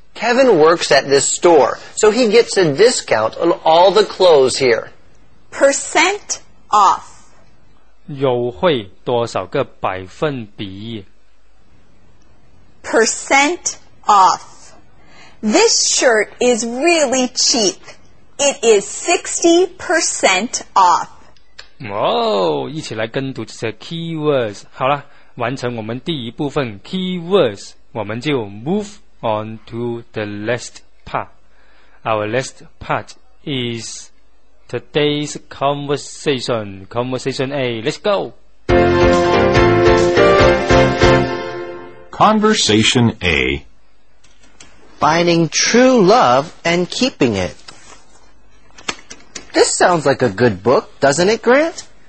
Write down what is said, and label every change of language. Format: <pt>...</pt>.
<en>Kevin works at this store, so he gets a discount on all the clothes here. Percent off.</en> <zh>优惠多少个百分比？</zh> <en>Percent off. This shirt is really cheap. It is 60% off.</en> <zh>哦，一起来跟读这些 keywords。好了，完成我们第一部分 keywords， 我们就 move。</zh> <en>On to the last part. Our last part is today's conversation. Conversation A. Let's go. Conversation A. Finding true love and keeping it. This sounds like a good book, doesn't it, Grant?</en>